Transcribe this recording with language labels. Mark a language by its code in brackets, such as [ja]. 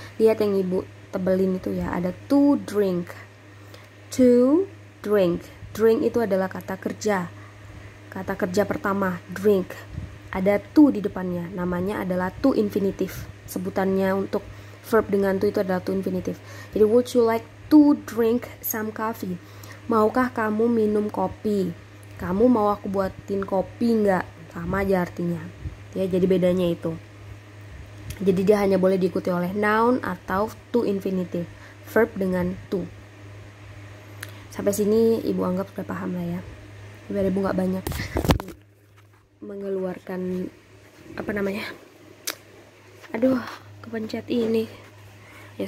[id] Lihat yang ibu tebelin itu ya, ada to drink. To drink. Drink itu adalah kata kerja. Kata kerja pertama, drink. Ada to di depannya. Namanya adalah to infinitive. Sebutannya untuk verb dengan to itu adalah to infinitive. [en] Jadi would you like to drink some coffee? [id] Maukah kamu minum kopi? Kamu mau aku buatin kopi enggak? Sama aja artinya. Ya, jadi bedanya itu. Jadi dia hanya boleh diikuti oleh noun atau to infinitive, verb dengan to. Sampai sini ibu anggap sudah paham lah ya, biar ibu nggak banyak mengeluarkan apa namanya, aduh kepencet ini ya.